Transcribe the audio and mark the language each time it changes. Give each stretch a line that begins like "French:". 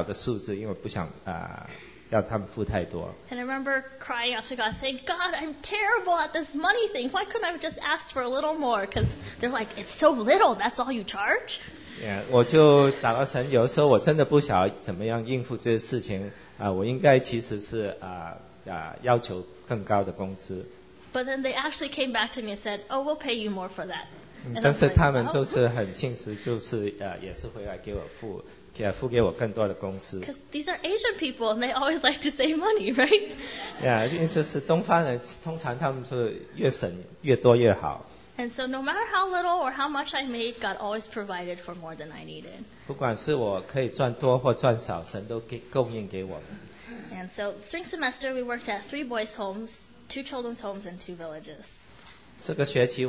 Chinese: 但是神真的是很有信实的，有时候人家问我你要教这个你要那个工资是多少，我就给他们很少，因为我不想很小的数字，因为我不想要他们付太多。
English: And I remember crying out to God saying, God, I'm terrible at this money thing. Why couldn't I have just asked for a little more? Because they're like, it's so little, that's all you charge?
Chinese: Yeah, 我就打到神，有时候我真的不晓得怎么样应付这些事情，我应该其实是要求更高的工资。
English: But then they actually came back to me and said, oh, we'll pay you more for that.
Chinese: 但是他们就是很信实，就是也是会来给我付给我更多的工资。
English: Because these are Asian people and they always like to save money, right?
Chinese: Yeah, 因为这是东方人，通常他们是越省越多越好。
English: And so no matter how little or how much I made, God always provided for more than I needed.
Chinese: 不管是我可以赚多或赚少, 神都供应给我们。
English: And so spring semester, we worked at 3 boys' homes, 2 children's homes, and 2 villages.